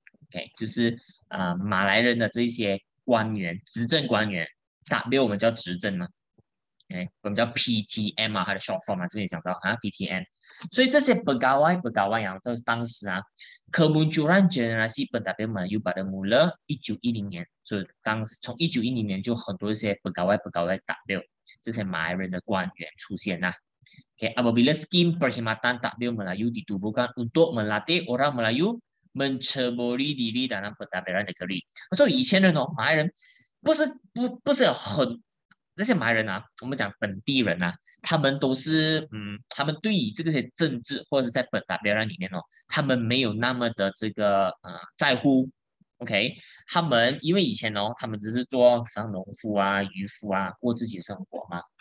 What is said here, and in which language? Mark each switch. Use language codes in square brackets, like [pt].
[zh] Okay, 就是马来人的这些官员，执政官员，大没有我们叫执政嘛， okay, 我们叫 PTM 啊，它的 short form 啊，这边也讲到啊 PTM， 所以这些 pegawai pegawai 啊，都是当时啊 [ms] kemunculan generasi pendatang Melayu pada mula 1910年， [zh] 所以当时从1910年就很多这些 [ms] pegawai pegawai [zh] 大没有这些马来人的官员出现啦。 [ms] Okay, apabila skim perkhidmatan takbil Melayu ditubuhkan untuk melatih orang Melayu menceburi diri dalam pentadbiran negeri. [zh] 所以以前人哦，马来人不是很那些马来人啊，我们讲本地人啊，他们都是他们对于这些政治或者是在pentadbiran里面哦，他们没有那么的这个在乎。 OK， 他们因为以前哦，他们只是做像农夫啊、渔夫啊，过自己生活嘛。